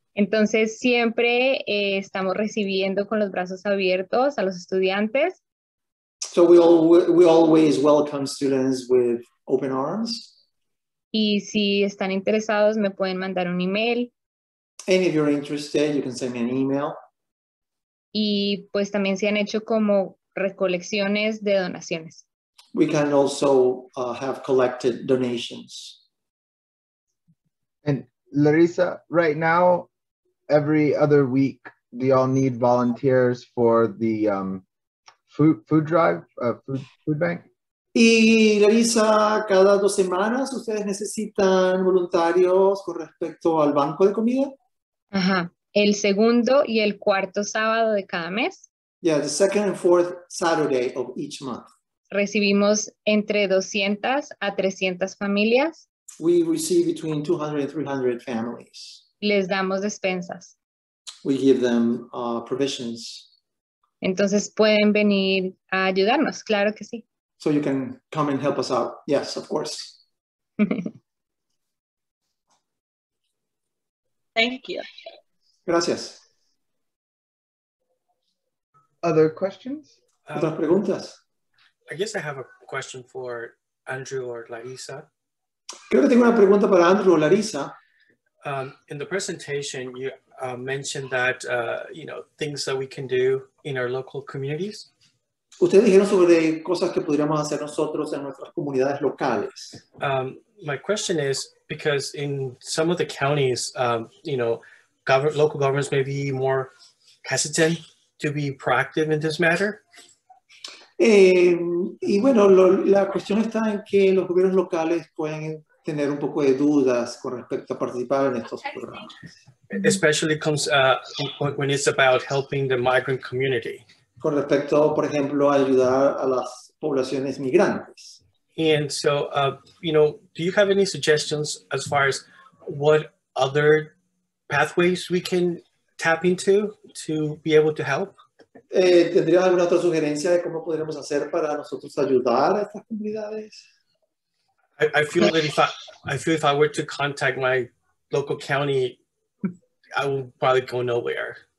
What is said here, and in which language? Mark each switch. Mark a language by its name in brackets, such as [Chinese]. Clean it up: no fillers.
[Spanish] Entonces siempre estamos recibiendo con los brazos abiertos a los estudiantes. [English] So we always welcome students with open arms. [Spanish] Y si están interesados me pueden mandar un email. [English] And if you're interested, you can send me an email. [Spanish] Y pues también se han hecho como recolecciones de donaciones. [English] We can also have collected donations. And Larissa, right now, every other week, we all need volunteers for the food bank. [Spanish] Y Larissa, cada dos semanas, ustedes necesitan voluntarios con respecto al banco de comida. Ajá. El segundo y el cuarto sábado de cada mes. [English] Yeah, the second and fourth Saturday of each month. [Spanish] Recibimos entre 200 a 300 familias. [English] We receive between 200 and 300 families. [Spanish] Les damos despensas. [English] We give them provisions. [Spanish] Entonces pueden venir a ayudarnos, claro que sí. [English] So you can come and help us out. Yes, of course. Thank you. [Spanish] Gracias. [English] Other questions? [Spanish] ¿Otras preguntas? [English] I guess I have a question for Andrew or Larissa. [Spanish] Creo que tengo una pregunta para Andrew o Larissa. [English] In the presentation, you mentioned that, things that we can do in our local communities. [Spanish] Ustedes dijeron sobre cosas que podríamos hacer nosotros en nuestras comunidades locales. [English] My question is, because in some of the counties, local governments may be more hesitant to be proactive in this matter. [Spanish] Y bueno, la cuestión está en que los gobiernos locales pueden tener un poco de dudas con respecto a participar en estos programas. [English] Especially comes when it's about helping the migrant community. [Spanish] Con respecto, por ejemplo, a ayudar a las poblaciones migrantes. [English] And so, do you have any suggestions as far as what other pathways we can tap into to be able to help? [Spanish] ¿Tendrías alguna otra sugerencia de cómo podríamos hacer para nosotros ayudar a estas comunidades? [English] I feel if I were to contact my local county, I would probably go nowhere.